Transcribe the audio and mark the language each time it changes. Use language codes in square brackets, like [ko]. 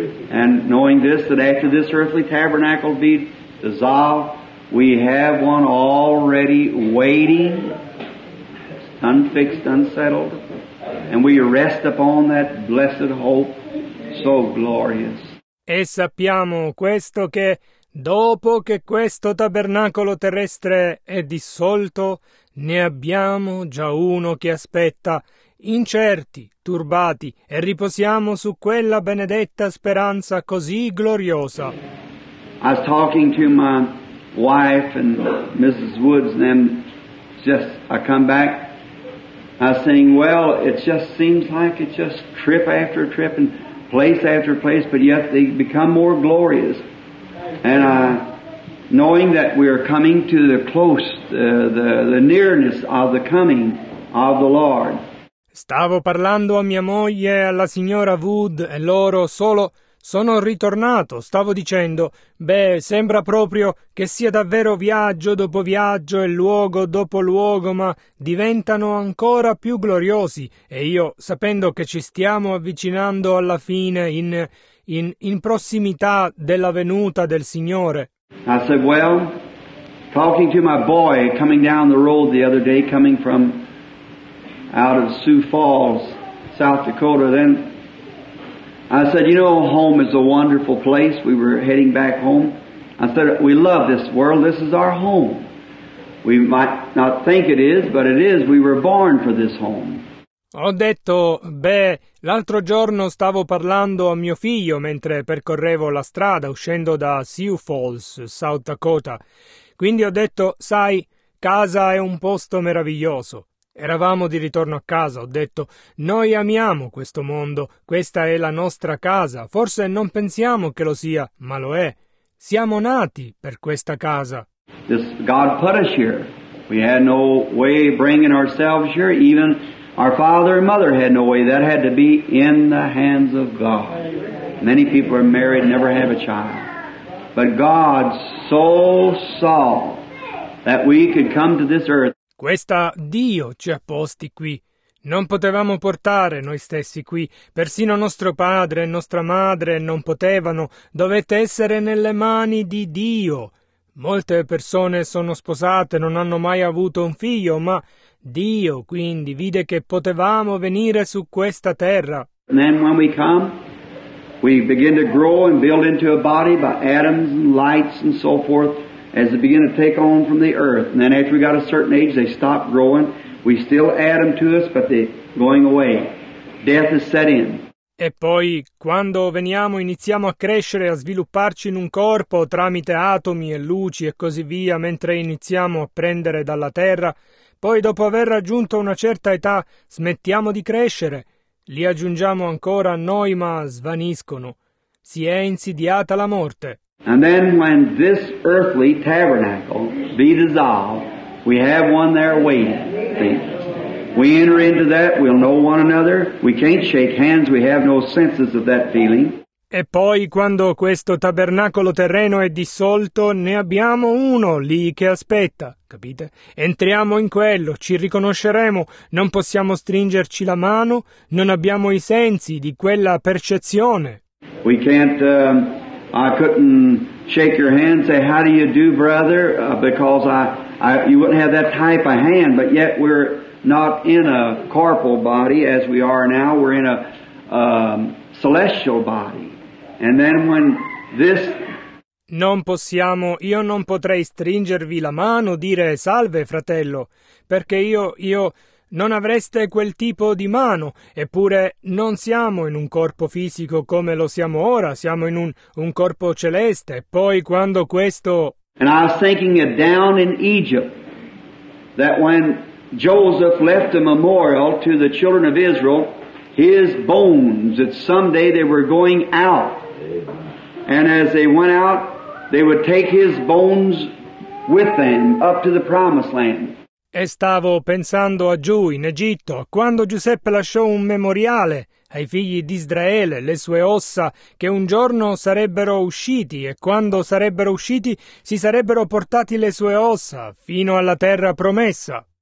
[en] And knowing this, that after this earthly tabernacle be dissolved, we have one already waiting, unfixed, unsettled, and we rest upon that blessed hope. So glorious. [it] E sappiamo questo che dopo che questo tabernacolo terrestre è dissolto, ne abbiamo già uno che aspetta, incerti, turbati, e riposiamo su quella benedetta speranza così gloriosa. [en] I was talking to my wife and Mrs. Woods, and then just I come back. I was saying, well, it just seems like it's just trip after trip and place after place, but yet they become more glorious. And knowing that we are coming to the close, the nearness of the coming of the Lord. [it] Stavo parlando a mia moglie, alla signora Wood, e loro solo sono ritornato. Stavo dicendo, beh, sembra proprio che sia davvero viaggio dopo viaggio e luogo dopo luogo, ma diventano ancora più gloriosi. E io, sapendo che ci stiamo avvicinando alla fine, in prossimità della venuta del Signore. [en] I said, well, talking to my boy coming down the road the other day, coming from out of Sioux Falls, South Dakota, then I said, you know, home is a wonderful place. We were heading back home. I said, we love this world. This is our home. We might not think it is, but it is. We were born for this home. [it] Ho detto, beh, l'altro giorno stavo parlando a mio figlio mentre percorrevo la strada uscendo da Sioux Falls, South Dakota. Quindi ho detto, sai, casa è un posto meraviglioso. Eravamo di ritorno a casa, ho detto, noi amiamo questo mondo, questa è la nostra casa, forse non pensiamo che lo sia, ma lo è. Siamo nati per questa casa. [en] This God put us here. We had no way of bringing ourselves here, even our father and mother had no way. That had to be in the hands of God. Many people are married, never have a child. But God so saw that we could come to this earth. [it] Questa Dio ci ha posti qui. Non potevamo portare noi stessi qui. Persino nostro padre e nostra madre non potevano. Dovete essere nelle mani di Dio. Molte persone sono sposate, non hanno mai avuto un figlio, ma Dio quindi vide che potevamo venire su questa terra. [en] And then when we come, we begin to grow and build into a body by atoms and lights and so forth as they begin to take on from the earth. And then after we got a certain age, they stop growing. We still add them to us, but they're going away. Death is set in. [it] E poi, quando veniamo, iniziamo a crescere, a svilupparci in un corpo tramite atomi e luci e così via, mentre iniziamo a prendere dalla terra. Poi, dopo aver raggiunto una certa età, smettiamo di crescere. Li aggiungiamo ancora a noi, ma svaniscono. Si è insidiata la morte. [en] And then when this earthly tabernacle be dissolved, we have one there waiting. We enter into that, we'll know one another, we can't shake hands, we have no senses of that feeling. [it] E poi quando questo tabernacolo terreno è dissolto, ne abbiamo uno lì che aspetta, capite? Entriamo in quello, ci riconosceremo, non possiamo stringerci la mano, non abbiamo i sensi di quella percezione. [en] We can't, I couldn't shake your hand, say how do you do brother, because you wouldn't have that type of hand, but yet we're not in a corporal body as we are now, we're in a celestial body. And then when this... [it] Non possiamo, io non potrei stringervi la mano, dire salve fratello, perché io non avreste quel tipo di mano, eppure non siamo in un corpo fisico come lo siamo ora, siamo in un corpo celeste, e poi quando questo... [en] And I was thinking it down in Egypt, that when Joseph left a memorial to the children of Israel, his bones, that someday they were going out. And as they went out, they would take his bones with them up to the promised land. [it] E stavo pensando a giù in Egitto, quando Giuseppe lasciò un memoriale ai figli di Israele, le sue ossa, che un giorno sarebbero usciti, e quando sarebbero usciti, si sarebbero portati le sue ossa fino alla terra promessa.